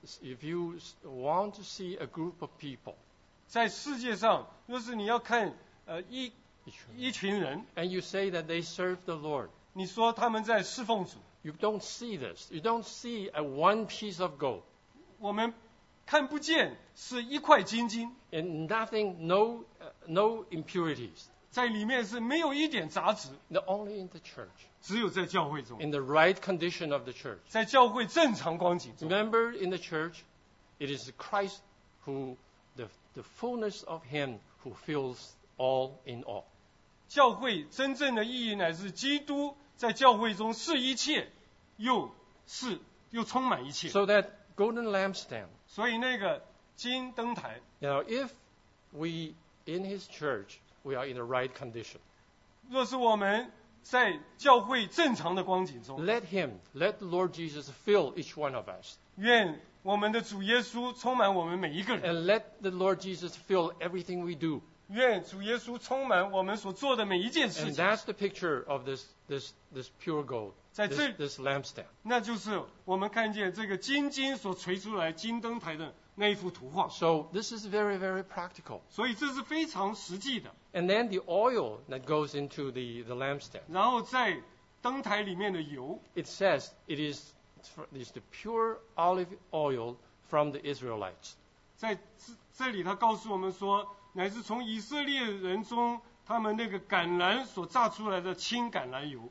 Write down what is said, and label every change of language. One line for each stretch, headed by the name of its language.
English: If you want to see a group of people,
Chinese: 在世界上，若是你要看一群人
English: ，and you say that they serve the Lord,
Chinese: 你说他们在侍奉主。
English: You don't see this. You don't see a one piece of gold.
Chinese: 我们看不见是一块金金。
English: And nothing, no impurities.
Chinese: 在里面是没有一点杂质。
English: Only in the church.
Chinese: 只有在教会中。
English: In the right condition of the church.
Chinese: 在教会正常光景中。
English: Remember, in the church, it is Christ who the fullness of Him who fills all in all.
Chinese: 教会真正的意义乃是基督。在教会中是一切，又充满一切。
English: So that golden lampstand.
Chinese: 所以那个金灯台。
English: Now if we in His church, we are in the right condition.
Chinese: 若是我们在教会正常的光景中。
English: Let Him, let the Lord Jesus fill each one of us.
Chinese: 愿我们的主耶稣充满我们每一个人。
English: And let the Lord Jesus fill everything we do.
Chinese: 愿主耶稣充满我们所做的每一件事情。
English: And that's the picture of this pure gold.
Chinese: 在这
English: this lampstand.
Chinese: 那就是我们看见这个金金所锤出来金灯台的那一幅图画。
English: So this is very very practical.
Chinese: 所以这是非常实际的。
English: And then the oil that goes into the lampstand.
Chinese: 然后在灯台里面的油。
English: It says it is the pure olive oil from the Israelites.
Chinese: 在这里他告诉我们说。乃是从以色列人中他们那个橄榄所榨出来的青橄榄油。